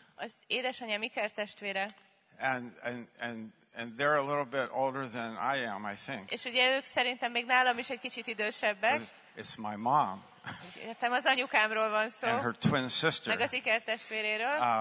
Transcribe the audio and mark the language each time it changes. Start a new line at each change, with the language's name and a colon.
Hungarian: Az édesanyám Iker testvére.
English: And they're a little bit older than I am, I think.
Hungarian: És ugye ők szerintem még nálam is egy kicsit idősebbek.
English: It's my mom.
Hungarian: Értem, az anyukámról van szó.
English: And her twin sister.
Hungarian: Meg az Iker testvéréről.